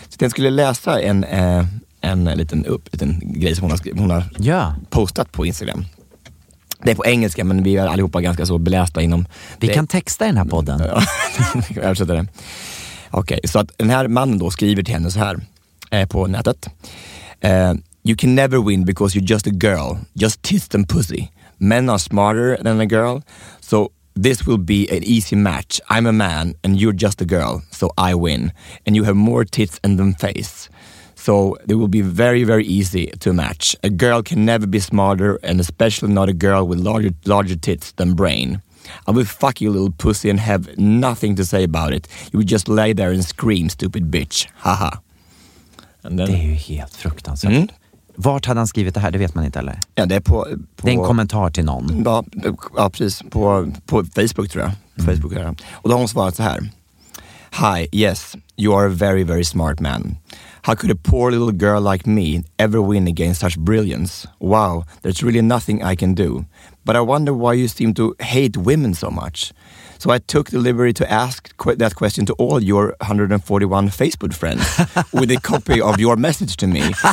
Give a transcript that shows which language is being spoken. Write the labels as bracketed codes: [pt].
[sv] Så jag skulle läsa en liten grej som hon har [en] yeah. [sv] postat på Instagram. Det är på engelska, men vi är allihopa ganska så belästa inom... Vi kan texta i den här podden. Ja, jag översätter det. Okej, okay, så att den här mannen då skriver till henne så här. På nätet. [en] You can never win because you're just a girl. Just tits and pussy. Men are smarter than a girl. So this will be an easy match. I'm a man and you're just a girl. So I win. And you have more tits and than face. So it will be very, very easy to match. A girl can never be smarter and especially not a girl with larger tits than brain. I will fuck you, little pussy, and have nothing to say about it. You will just lay there and scream, stupid bitch. Haha. [sv] Then, det är ju helt fruktansvärt. Mm. Vart hade han skrivit det här? Det vet man inte, eller? Ja, det är på det är en kommentar till någon. Ja, precis. På Facebook, tror jag. Mm. Facebook, ja. Och då har hon svarat så här. [en] Hi, yes, you are a very, very smart man. How could a poor little girl like me ever win against such brilliance? Wow, there's really nothing I can do. But I wonder why you seem to hate women so much. So I took the liberty to ask that question to all your 141 Facebook friends with a copy of your message to me.